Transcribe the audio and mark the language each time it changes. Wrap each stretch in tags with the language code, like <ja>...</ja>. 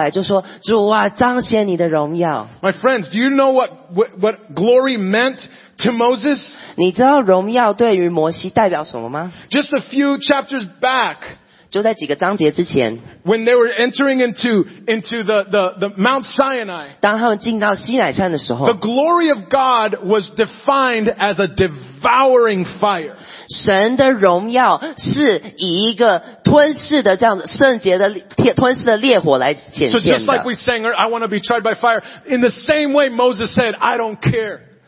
<zh>然后他就呼这样子呼求出来，就说：“主啊，彰显你的荣耀。”</zh> <en>My friends, do you know what glory meant to Moses?</en> <zh>你知道荣耀对于摩西代表什么吗？</zh> <en>Just a few chapters back,</en> <zh>就在几个章节之前,</zh> <en>when they were entering into the Mount Sinai,</en> <zh>当他们进到西乃山的时候,</zh> <en>the glory of God was defined as a devouring fire.</en> <zh>神的荣耀是以一个吞噬的这样圣洁的烈火来显现的。</zh> <en>So just like we sang, I want to be tried by fire. In the same way, Moses said, I don't care.</en>